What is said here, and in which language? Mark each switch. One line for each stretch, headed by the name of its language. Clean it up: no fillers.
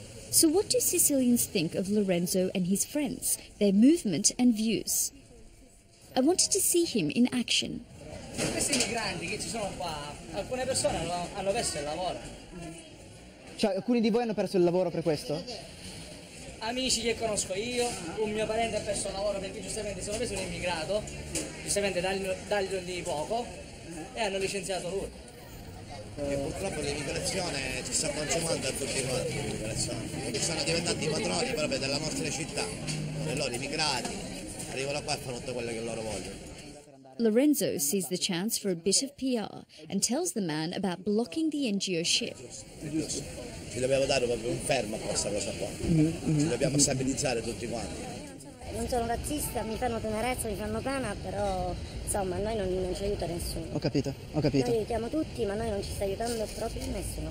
English: So what do Sicilians think of Lorenzo and his friends, their movement and views? I wanted to see him in action.
Italian: Questi migranti che ci sono qua, alcune persone hanno perso il lavoro. Cioè, alcuni di voi hanno perso il lavoro per questo? Amici che conosco io, un mio parente ha perso il lavoro perché giustamente sono preso un immigrato, giustamente dagli poco, e hanno licenziato lui. E purtroppo l'immigrazione ci sta consumando a tutti quanti, perché sono diventati padroni proprio della nostra città, dei loro immigrati. Arrivano qua e fanno tutto quello che loro vogliono.
English: Lorenzo sees the chance for a bit of PR and tells the man about blocking the NGO ship.
Italian: Ci dobbiamo dare proprio un fermo a questa cosa qua. Ci dobbiamo stabilizzare tutti quanti. Non sono razzista, mi fanno tenerezza, mi fanno pena, però insomma noi non ci aiuta nessuno. Ho capito. Noi aiutiamo tutti, ma noi non ci sta aiutando proprio nessuno.